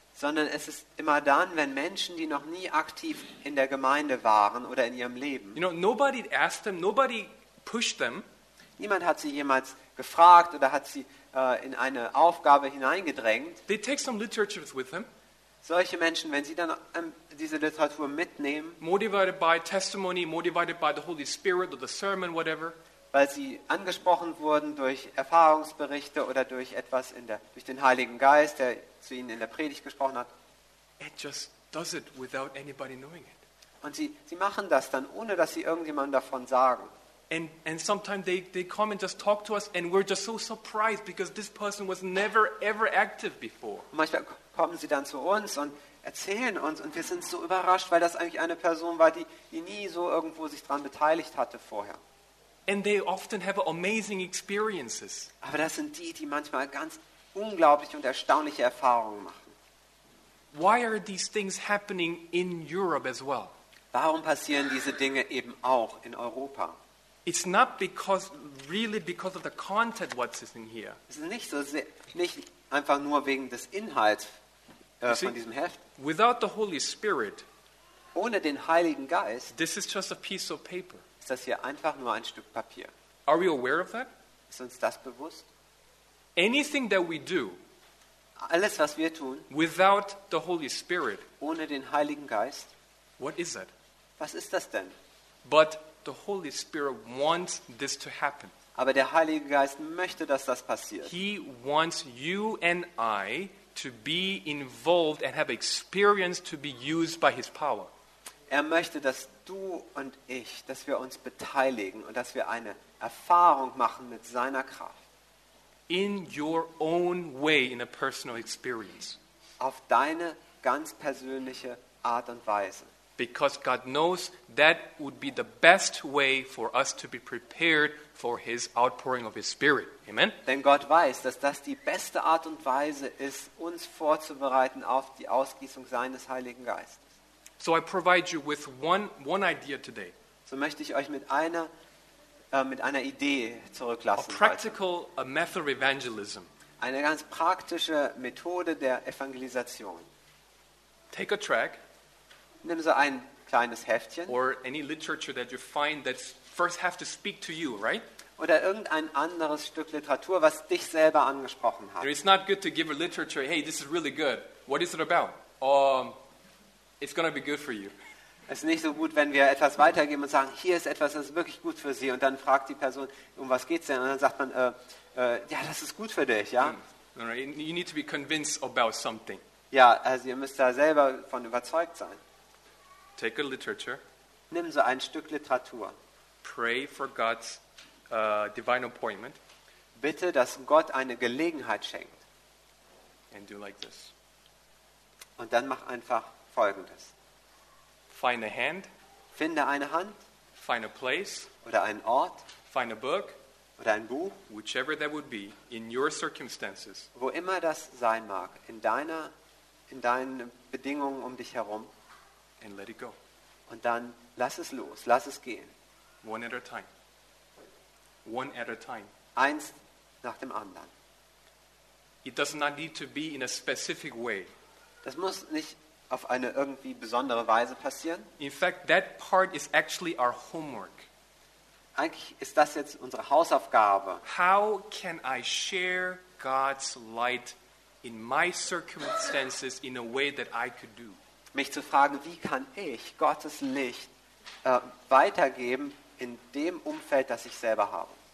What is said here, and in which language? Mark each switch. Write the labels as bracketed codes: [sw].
[de] Sondern es ist immer dann, wenn Menschen, die noch nie aktiv in der Gemeinde waren oder in ihrem Leben. [en] You know, nobody asked them, nobody pushed them. [de] Niemand hat sie jemals gefragt oder hat sie in eine Aufgabe hineingedrängt. [en] They take some literature with them. [de] Solche Menschen, wenn sie dann diese Literatur mitnehmen, [en] motivated by testimony, motivated by the Holy Spirit or the sermon, whatever, [de] weil sie angesprochen wurden durch Erfahrungsberichte oder durch etwas durch den Heiligen Geist, der zu ihnen in der Predigt gesprochen hat. [en] It just does it without anybody knowing it. [de] Und sie machen das dann, ohne dass sie irgendjemandem davon sagen. [en] And sometimes they come and just talk to us and we're just so surprised because this person was never ever active before. [de] Manchmal kommen sie dann zu uns und erzählen uns und wir sind so überrascht, weil das eigentlich eine Person war, die nie so irgendwo sich dran beteiligt hatte vorher. [en] And they often have amazing experiences. [de] Aber das sind die manchmal ganz unglaubliche und erstaunliche Erfahrungen machen. [en] Why are these things happening in Europe as well? [de] Warum passieren diese Dinge eben auch in Europa? [en] It's not because of the content what's in here. [de] Es ist nicht einfach nur wegen des Inhalts von diesem Heft. [en] Without the Holy Spirit, [de] ohne den Heiligen Geist, [en] this is just a piece of paper. [de] Ist das hier einfach nur ein Stück Papier? [en] Are we aware of that? [de] Ist uns das bewusst? [en] Anything that we do, [de] alles was wir tun, [en] without the Holy Spirit, [de] ohne den Heiligen Geist, [en] what is that? [de] Was ist das denn? [en] But the Holy Spirit wants this to happen. [de] Aber der Heilige Geist möchte, dass das passiert. [en] He wants you and I to be involved and have experience to be used by His power. [de] Er möchte, dass du und ich, dass wir uns beteiligen und dass wir eine Erfahrung machen mit seiner Kraft. [en] In your own way, in a personal experience. [de] Auf deine ganz persönliche Art und Weise. [en] Because God knows that would be the best way for us to be prepared for His outpouring of His Spirit. Amen? [de] Denn Gott weiß, dass das die beste Art und Weise ist, uns vorzubereiten auf die Ausgießung seines Heiligen Geistes. [en] So I provide you with one idea today. [de] So möchte ich euch mit einer Idee zurücklassen. [en] A practical method of evangelism. [de] Eine ganz praktische Methode der Evangelisation. [en] Take a track. [de] Nimm so ein kleines Heftchen. [en] Or any literature that you find that first have to speak to you, right? [de] Oder irgendein anderes Stück Literatur, was dich selber angesprochen hat. [en] It's not good to give a literature, hey, this is really good. What is it about? It's going to be good for you. [de] Es ist nicht so gut, wenn wir etwas weitergeben und sagen, hier ist etwas, das ist wirklich gut für Sie. Und dann fragt die Person, um was geht's denn? Und dann sagt man, ja, das ist gut für dich, ja. [en] You need to be convinced about something. [de] Ja, also ihr müsst da selber von überzeugt sein. [en] Take a literature. [de] Nimm so ein Stück Literatur. [en] Pray for God's divine appointment. [de] Bitte, dass Gott eine Gelegenheit schenkt. [en] And do like this. [de] Und dann mach einfach Folgendes. [en] Find a hand. [de] Finde eine Hand. [en] Find a place. [de] Oder einen Ort. [en] Find a book. [de] Oder ein Buch. [en] Whichever that would be in your circumstances. [de] Wo immer das sein mag, in deinen Bedingungen um dich herum. [en] And let it go. [de] Und dann lass es los, lass es gehen. [en] One at a time. One at a time. [de] Eins nach dem anderen. [en] It does not need to be in a specific way. [de] Das muss nicht auf eine irgendwie besondere Weise passieren. [en] In fact, that part is actually our homework. [de] Eigentlich ist das jetzt unsere Hausaufgabe. [en] How can I share God's light in my circumstances in a way that I could do? [de] Mich zu fragen, wie kann ich Gottes Licht weitergeben in dem Umfeld, das ich selber habe?